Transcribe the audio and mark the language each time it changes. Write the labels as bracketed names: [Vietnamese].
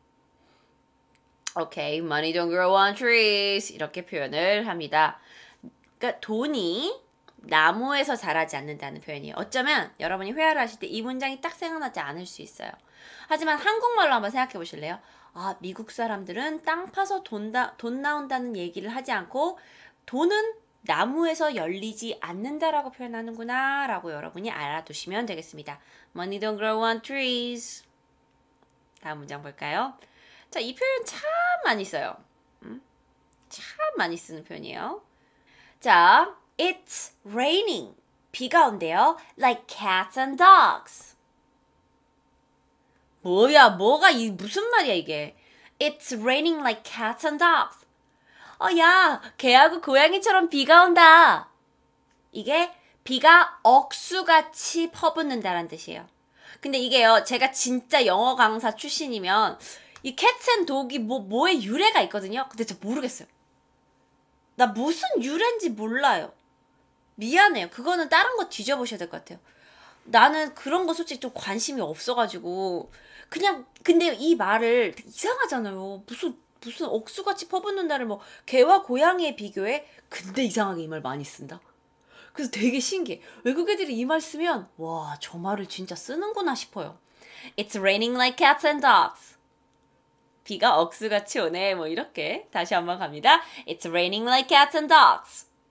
[Korean] 오, 뭐. [English] Okay, money don't grow on trees. [Korean] 이렇게 표현을 합니다. 그러니까 돈이 나무에서 자라지 않는다는 표현이에요. 어쩌면 여러분이 회화를 하실 때이 문장이 딱 생각나지 않을 수 있어요. 하지만 한국말로 한번 생각해 보실래요? 아, 미국 사람들은 땅 파서 돈 나온다는 얘기를 하지 않고 돈은 나무에서 열리지 않는다라고 표현하는구나 라고 여러분이 알아두시면 되겠습니다. [English] Money don't grow on trees. [Korean] 다음 문장 볼까요? 자, 이 표현 참 많이 써요. 참 많이 쓰는 표현이에요. 자, [English] It's raining. [Korean] 비가 온대요. [English] Like cats and dogs. [Korean] 뭐야? 뭐가 이 무슨 말이야 이게? [English] It's raining like cats and dogs. [Korean] 야, 개하고 고양이처럼 비가 온다. 이게 비가 억수같이 퍼붓는다라는 뜻이에요. 근데 이게요, 제가 진짜 영어 강사 출신이면 이 cats and dog이 뭐의 유래가 있거든요. 근데 저 모르겠어요. 나 무슨 유래인지 몰라요. 미안해요. 그거는 다른 거 뒤져보셔야 될것 같아요. 나는 그런 거 솔직히 좀 관심이 없어가지고. 그냥, 근데 이 말을 이상하잖아요. 무슨 억수같이 퍼붓는다를 뭐, 개와 고양이에 비교해? 근데 이상하게 이말 많이 쓴다? 그래서 되게 신기해. 외국 애들이 이말 쓰면, 와, 저 말을 진짜 쓰는구나 싶어요. [English] It's raining like cats and dogs. [Korean] 비가 억수같이 오네. 뭐, 이렇게. 다시 한번 갑니다. [English] It's raining like cats and dogs.